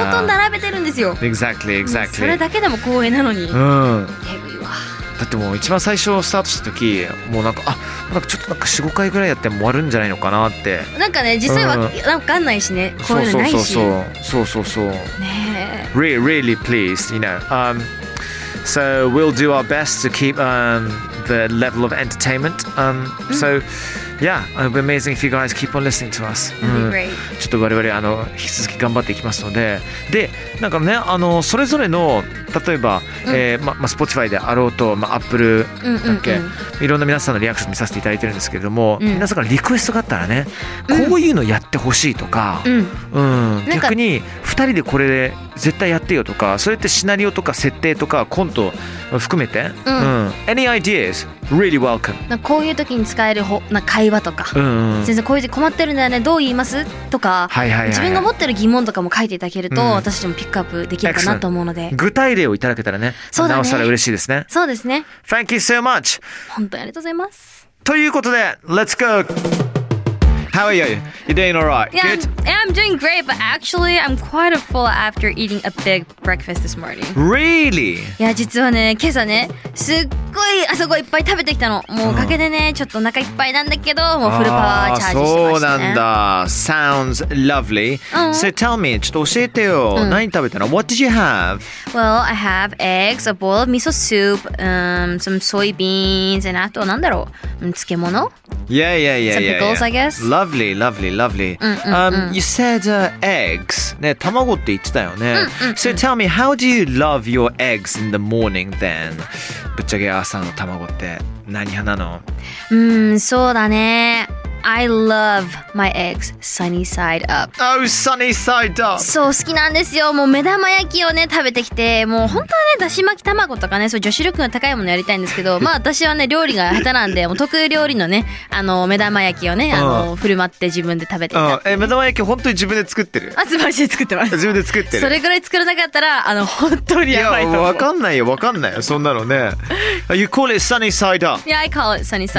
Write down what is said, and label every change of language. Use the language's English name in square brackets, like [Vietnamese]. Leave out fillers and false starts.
[Japanese] そこと並べてるんですよ。 [English] Exactly, exactly. [Japanese] それだけでも光栄なのに、うん、わだってもう一番最初スタートした時もうなんか、あ、なんかちょっとなんか 4,5 回ぐらいやっても終わるんじゃないのかなって、なんかね実際は分かんないしね、うん、こういうのないし、そうそうそうそうそうそう、ね、 [English] Really, really please, you know、So we'll do our best to keep the level of entertainment. So, yeah, it'll be amazing if you guys keep on listening to us. That'd be great. [Japanese] ちょっと我々引き続き頑張っていきますので、でなんかね、それぞれの例えば、ま、Spotify であろうと、ま、Apple だっけ、うんうんうん、いろんな皆さんのリアクション見させていただいてるんですけれども、うん、皆さんからリクエストがあったらね、こういうのやってほしいとか、うんうん、逆に2人でこれで絶対やってよとか、それってシナリオとか設定とかコント含めて、うんうん、 [English] Any ideas? Really welcome. [Japanese] なんかこういう時に使えるな会話とか、うんうん、先生こういう時困ってるんだよね、どう言いますとか、はいはいはいはい、自分が持ってる疑問とかも書いていただけると、うん、私でもピックアップできるかなと思うので、具体例をいただけたらね、そうだね、なおさら嬉しいですね。そうですね。 [English] Thank you so much. [Japanese] 本当にありがとうございます。ということで [English] Let's go. How are you? You're doing all right? Yeah, good? Yeah, I'm doing great, but actually, I'm quite full after eating a big breakfast this morning. Really? [Japanese] Yeah, 実はね、今朝ね、すっごい朝ごはんいっぱい食べてきたの。もうおかげでね、ちょっとお腹いっぱいなんだけど、もうフルパワーチャージしてましたね。そうなんだ。 [English] Sounds lovely. So tell me, [Japanese] ちょっと教えてよ。何食べたの? [English] What did you have? Well, I have eggs, a bowl of miso soup, some soybeans, and [Japanese] あとなんだろう、漬物? [English] Yeah. Some pickles, I guess. Lovely. You said eggs. [Japanese] ね、卵って言ってたよね。 [English] So tell me, how do you love your eggs in the morning then? [Japanese] ぶっちゃけ朝の卵って何派なの? そうだね。 [English] I love my eggs sunny side up. Oh, sunny side up. [Japanese] そう、好きなんですよ。もう目玉焼きをね、食べてきて、もう本当はね、だし巻き卵とかね、そう、女子力の高いものやりたいんですけど、まあ私はね、料理が下手なんで、もう得意料理のね、あの、目玉焼きをね、振る舞って自分で食べてきた。目玉焼き本当に自分で作ってる? あ、素晴らしい、作ってます。自分で作ってる。それぐらい作らなかったら、あの、本当にやばいと思う。いや、わかんないよ、わかんないよ、そんなのね。 [English] You call it sunny side up. Yeah, I call it sunny side up.